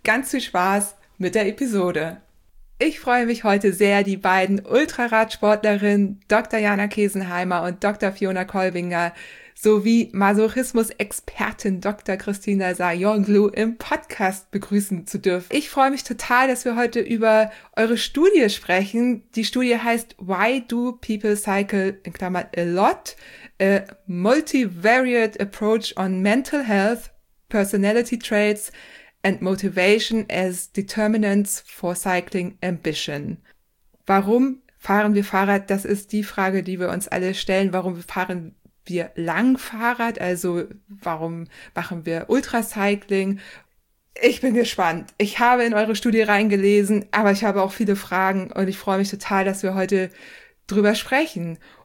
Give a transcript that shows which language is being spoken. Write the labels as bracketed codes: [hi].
[de] Ganz viel Spaß mit der Episode. Ich freue mich heute sehr, die beiden Ultraradsportlerinnen Dr. Jana Kesenheimer und Dr. Fiona Kolwinger sowie Masochismus-Expertin Dr. Christina Sayonglu im Podcast begrüßen zu dürfen. Ich freue mich total, dass wir heute über eure Studie sprechen. Die Studie heißt [en] Why Do People Cycle, [de] in Klammern, [en] a lot? A Multivariate Approach on Mental Health, Personality Traits and Motivation as Determinants for Cycling Ambition. [de] Warum fahren wir Fahrrad? Das ist die Frage, die wir uns alle stellen. Warum fahren wir Langfahrrad? Also warum machen wir Ultracycling? Ich bin gespannt. Ich habe in eure Studie reingelesen, aber ich habe auch viele Fragen und ich freue mich total, dass wir heute drüber sprechen.